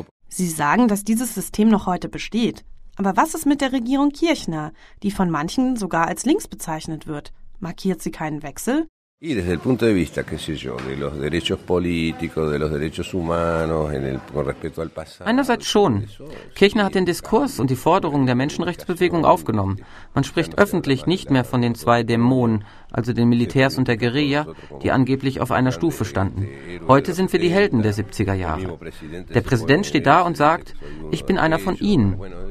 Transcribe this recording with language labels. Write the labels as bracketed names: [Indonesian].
[German] Sie sagen, dass dieses System noch heute besteht. Aber was ist mit der Regierung Kirchner, die von manchen sogar als links bezeichnet wird? Markiert sie keinen Wechsel? [Spanish] Y desde el punto de vista, qué sé yo, de los derechos políticos, de los derechos humanos, con respecto al pasado. [German] Einerseits schon. Kirchner hat den Diskurs und die Forderungen der Menschenrechtsbewegung aufgenommen. Man spricht öffentlich nicht mehr von den zwei Dämonen, also den Militärs und der Guerilla, die angeblich auf einer Stufe standen. Heute sind wir die Helden der 70er Jahre. Der Präsident steht da und sagt, ich bin einer von ihnen.